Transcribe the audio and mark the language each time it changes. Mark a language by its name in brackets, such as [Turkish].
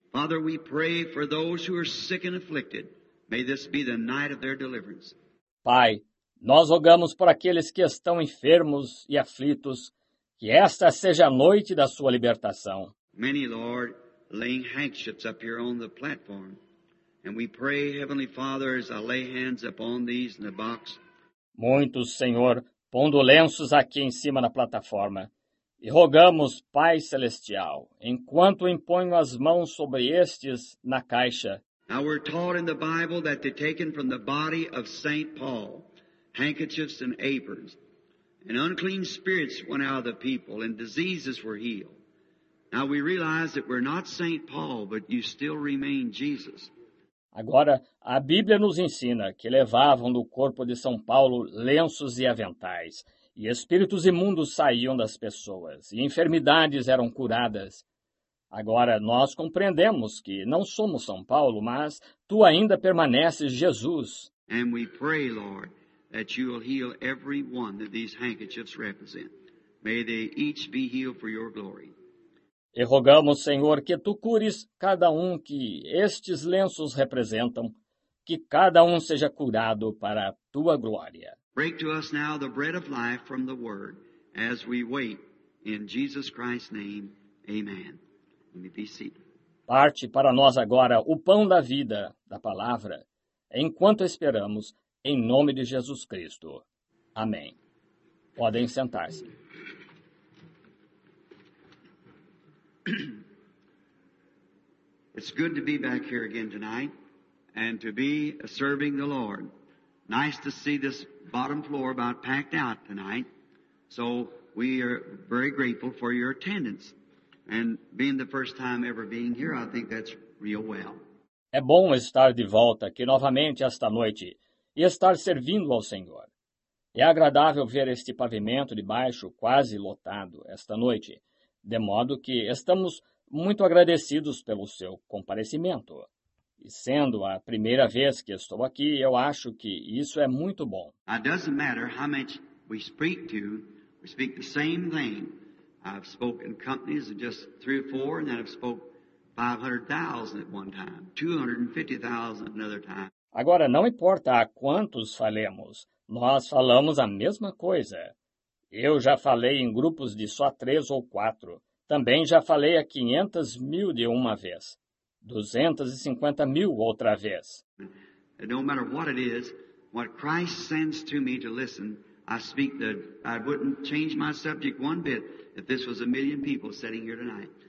[English] Father, we pray for those who are sick and afflicted. May this be the night of their deliverance. [Portuguese] Pai, nós rogamos por aqueles que estão enfermos e aflitos, que esta seja a noite da sua libertação. [English] Many, Lord, laying handkerchiefs up here on the platform. And we pray, Heavenly Father, as I lay hands upon these in the box. [Portuguese] Muitos, Senhor, pondo lenços aqui em cima na plataforma. E rogamos, Pai Celestial, enquanto imponho as mãos sobre estes na caixa. [English] Now we're taught in the Bible that they're taken from the body of St. Paul, handkerchiefs and aprons. And unclean spirits went out of the people, and diseases were healed. Now we realize that we're not St. Paul, but you still remain Jesus. [Portuguese] Agora, a Bíblia nos ensina que levavam do corpo de São Paulo lenços e aventais, e espíritos imundos saíam das pessoas, e enfermidades eram curadas. Agora, nós compreendemos que não somos São Paulo, mas tu ainda permaneces Jesus. [English] And we pray, Lord, that you will heal every one that these handkerchiefs represent. May they each be healed for your glory. [Portuguese] E rogamos, Senhor, que Tu cures cada um que estes lenços representam, que cada um seja curado para a Tua glória. [English] Break to us now the bread of life from the Word, as we wait, in Jesus Christ's name, amen. Let me be seated. [Portuguese] Parte para nós agora o pão da vida, da palavra, enquanto esperamos, em nome de Jesus Cristo. Amém. Podem sentar-se. [English] It's good to be back here again tonight and to be serving the Lord. Nice to see this bottom floor about packed out tonight. So we are very grateful for your attendance. And being the first time ever being here, I think that's real well. [Portuguese] É bom estar de volta aqui novamente esta noite e estar servindo ao Senhor. É agradável ver este pavimento de baixo quase lotado esta noite. De modo que estamos muito agradecidos pelo seu comparecimento. E sendo a primeira vez que estou aqui, eu acho que isso é muito bom. [English] It doesn't matter how much we speak the same thing. I've spoken companies of just 3 or 4, and then I've spoken 500,000 at one time, 250,000 another time. [Portuguese] Agora, não importa a quantos falemos, nós falamos a mesma coisa. Eu já falei em grupos de só 3 ou 4. Também já falei a 500 mil de uma vez. 250 mil outra vez. [English] No matter what it is, what Christ sends to me to listen, I wouldn't change my subject one bit if this was 1 million people sitting here tonight.